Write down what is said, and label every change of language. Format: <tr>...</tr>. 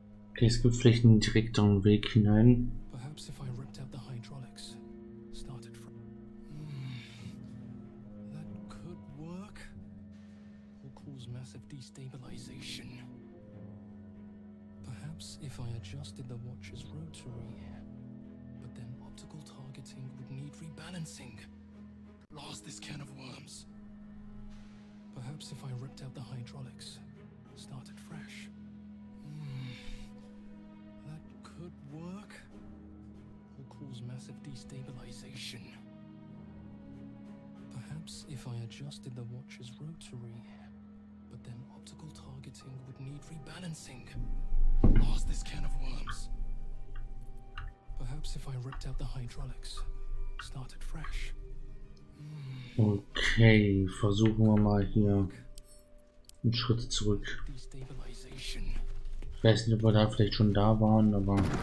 <de>Okay, es gibt vielleicht einen direkteren Weg hinein.</de> <en>Perhaps if I ripped out the hydraulics, started from. That could work. Will cause massive destabilization. Perhaps if I adjusted the watch's rotary. But then optical targeting would need rebalancing. Blast this can of worms. Perhaps if I ripped out the hydraulics, started fresh. Work will cause massive destabilization. Perhaps if I adjusted the watch's rotary, but then optical targeting would need rebalancing. Blast this can of worms. Perhaps if I ripped out the hydraulics, started fresh.</en> <de>Okay, versuchen wir mal hier einen Schritt zurück. Destabilization. Ich weiß nicht, ob wir da vielleicht schon da waren, aber...</de>